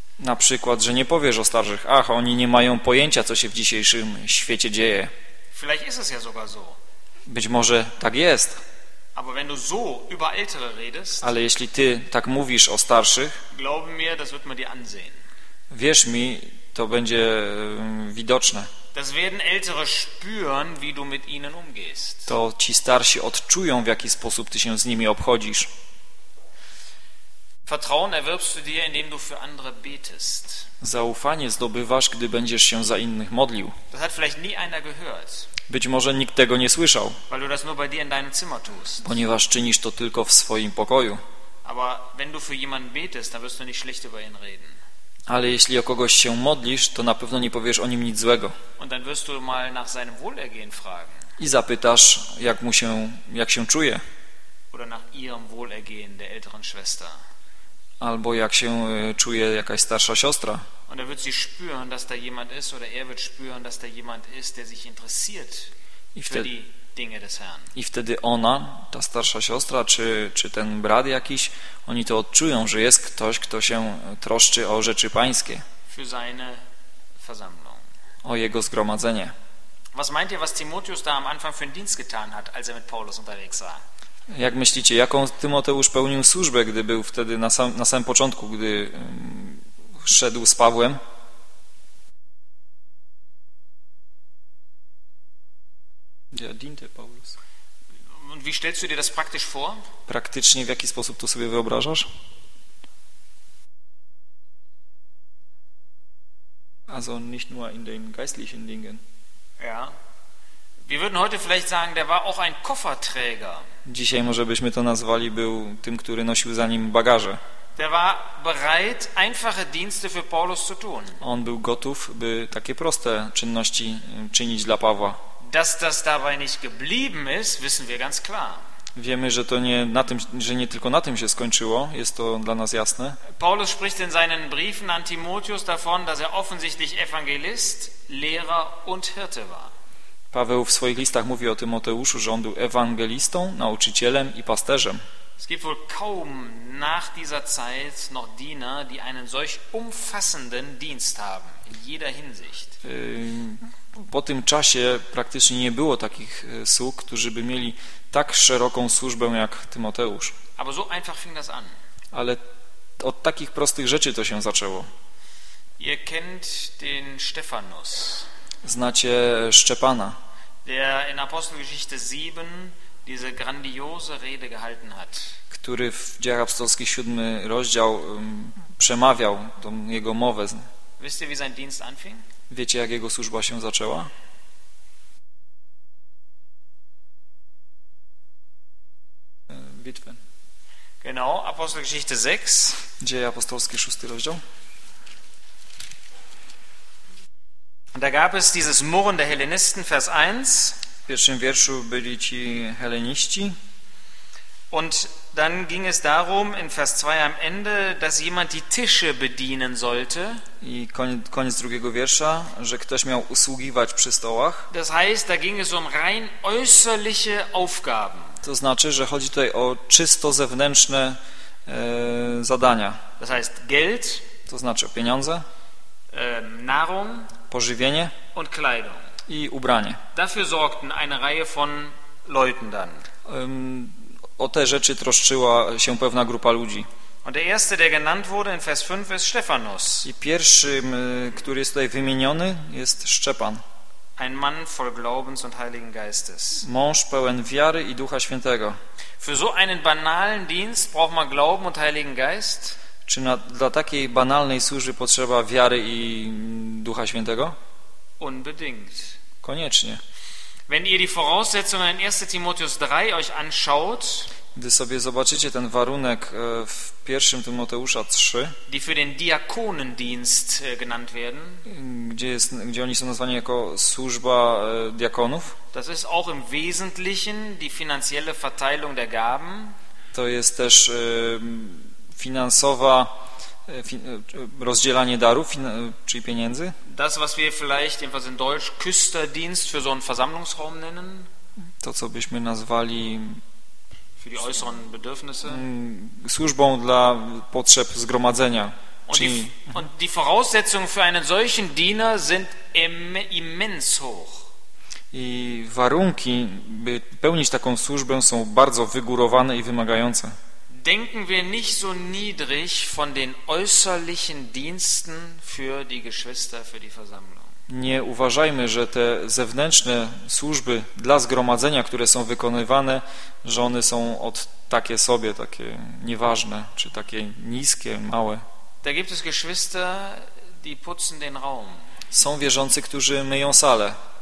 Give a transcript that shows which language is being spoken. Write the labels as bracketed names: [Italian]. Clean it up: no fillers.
[Polish] Na przykład, że nie powiesz o starszych: ach, oni nie mają pojęcia, co się w dzisiejszym świecie dzieje. [German] Vielleicht ist es ja sogar so. [Polish] Być może tak jest. [German] Aber wenn du so über ältere redest, [Polish] ale jeśli ty tak mówisz o starszych, [German] glaub mir, das wird man dir ansehen. [Polish] Wierz mi, to będzie widoczne. [German] Das werden ältere spüren, wie du mit ihnen umgehst. [Polish] To ci starsi odczują, w jaki sposób ty się z nimi obchodzisz. [German] Vertrauen erwirbst du dir, indem du für andere betest. [Polish] Zaufanie zdobywasz, gdy będziesz się za innych modlił. [German] Das hat vielleicht nie einer gehört. [Polish] Być może nikt tego nie słyszał. [German] Weil du das nur bei dir in deinem Zimmer tust. [Polish] Ponieważ czynisz to tylko w swoim pokoju. [German] Aber wenn du für jemanden betest, dann wirst du nicht schlecht über ihn reden. [Polish] Ale jeśli o kogoś się modlisz, to na pewno nie powiesz o nim nic złego. [German] Und dann wirst du mal nach seinem Wohlergehen fragen. [Polish] I zapytasz, jak się czuje. [German] Oder nach ihrem Wohlergehen der älteren Schwester. [Polish] Albo jak się czuje jakaś starsza siostra. [German] Und er wird sie spüren, dass da jemand ist, oder er wird spüren, dass da jemand ist, der sich interessiert für die Dinge des Herrn. [Polish] I wtedy ona, ta starsza siostra, czy ten brat jakiś, oni to odczują, że jest ktoś, kto się troszczy o rzeczy pańskie. [German] Für seine Versammlung. [Polish] O jego zgromadzenie. [German] Was meint ihr, was Timotheus da am Anfang für einen Dienst getan hat, als er mit Paulus unterwegs war? [Polish] Jak myślicie, jaką Tymoteusz pełnił służbę, gdy był wtedy na samym początku, gdy szedł z Pawłem? [German] Ja, diente Paulus. Und wie stellst du dir das praktisch vor? [Polish] Praktycznie w jaki sposób to sobie wyobrażasz? [German] Also nicht nur in den geistlichen Dingen. Ja. Wir würden heute vielleicht sagen, der war auch ein Kofferträger. [Polish] Dzisiaj może byśmy to nazwali, był tym, który nosił za nim bagaże. [German] Der war bereit, einfache Dienste für Paulus zu tun. [Polish] On był gotów, by takie proste czynności czynić dla Pawła. [German] Dass das dabei nicht geblieben ist, wissen wir ganz klar. [Polish] Wiemy, że to nie na tym, że nie tylko na tym się skończyło, jest to dla nas jasne. [German] Paulus spricht in seinen Briefen an Timotheus davon, dass er offensichtlich Evangelist, Lehrer und Hirte war. [Polish] Paweł w swoich listach mówi o Tymoteuszu, że on był ewangelistą, nauczycielem i pasterzem. [German] Es gibt wohl kaum nach dieser Zeit noch Diener, die einen solch umfassenden Dienst haben in jeder Hinsicht. [Polish] Po tym czasie praktycznie nie było takich sług, którzy by mieli tak szeroką służbę jak Tymoteusz. [German] Aber so einfach fing das an. [Polish] Ale od takich prostych rzeczy to się zaczęło. [German] Ihr kennt den Stephanus. [Polish] Znacie Szczepana. [German] Der in Apostelgeschichte 7 diese grandiose Rede gehalten hat. [Polish] Który w Dziejach Apostolskich 7 rozdział przemawiał tą jego mowę. [German] Wisst ihr, wie sein Dienst anfing? [Polish] Wiecie, jak jego służba się zaczęła? Bitwę. [German] Genau, Apostelgeschichte 6. [Polish] Dzieje Apostolskie, 6 rozdział. [German] Da gab es dieses Murren der Hellenisten, Vers 1. [Polish] W pierwszym wierszu byli ci Helleniści. [German] Und dann ging es darum, in Vers 2 am Ende, dass jemand die Tische bedienen sollte. [Polish] I koniec drugiego wiersza, że ktoś miał usługiwać przy stołach. [German] Das heißt, da ging es um rein äußerliche Aufgaben. [Polish] To znaczy, że chodzi tutaj o czysto zewnętrzne zadania. [German] Das heißt, Geld. [Polish] To znaczy o pieniądze. [German] Nahrung. [Polish] Pożywienie. [German] Und Kleidung. [Polish] I ubranie. [German] Dafür sorgten eine Reihe von Leuten dann. [Polish] O te rzeczy troszczyła się pewna grupa ludzi. [German] Und der erste, der genannt wurde in Vers 5, ist Stephanus. [Polish] I pierwszym, który jest tutaj wymieniony, jest Szczepan. [German] Ein Mann voll Glaubens und Heiligen Geistes. [Polish] Mąż pełen wiary i Ducha Świętego. [German] Für so einen banalen Dienst braucht man Glauben und Heiligen Geist? [Polish] Czy dla takiej banalnej służby potrzeba wiary i Ducha Świętego? [German] Unbedingt. [Polish] Koniecznie. [German] Wenn ihr die Voraussetzungen in 1. Timotheus 3 euch anschaut, [Polish] gdy sobie zobaczycie ten warunek w 1. Tymoteusza 3, [German] die für den Diakonendienst genannt werden, [Polish] gdzie oni są nazwani jako służba diakonów, [German] das ist auch im Wesentlichen die finanzielle Verteilung der Gaben, [Polish] to jest też finansowa rozdzielanie darów, czyli pieniędzy. [German] Das, was wir vielleicht jedenfalls in Deutsch Küsterdienst für so einen Versammlungsraum nennen. [Polish] To, co byśmy nazwali [German] für die äußeren Bedürfnisse. [Polish] Służbą dla potrzeb zgromadzenia. [German] Und die Voraussetzungen für einen solchen Diener sind immens hoch. [Polish] I warunki, by pełnić taką służbę, są bardzo wygórowane i wymagające. [German] Denken wir nicht so niedrig von den äußerlichen Diensten für die Geschwister, für die Versammlung. [Polish] Nie uważajmy, że te zewnętrzne służby dla zgromadzenia, które są wykonywane, że one są od takie sobie, takie nieważne, czy takie niskie, małe. [German] Da gibt es Geschwister, die putzen den Raum. [Polish] Są wierzący, którzy myją salę.